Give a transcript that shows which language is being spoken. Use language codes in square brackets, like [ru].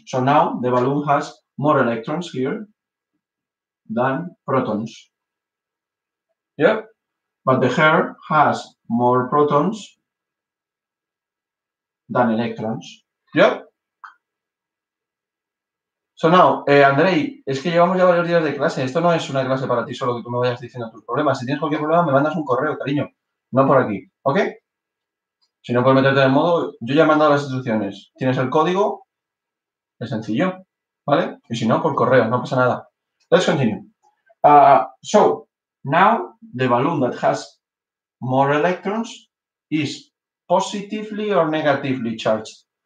[en] So now the balloon has more electrons here than protons. Yeah? But the hair has more protons than electrons. Yeah? So now, [es] Andrei, es que llevamos ya varios días de clase. Esto no es una clase para ti solo que tú me vayas diciendo tus problemas. Si tienes cualquier problema, me mandas un correo, cariño. No por aquí, ¿ok? Si no puedes meterte en el modo, yo ya he mandado las instrucciones. Tienes el código, es sencillo, ¿vale? Y si no, por correo, no pasa nada. [en] Let's continue. So, now the balloon that has more electrons is positively or negatively charged?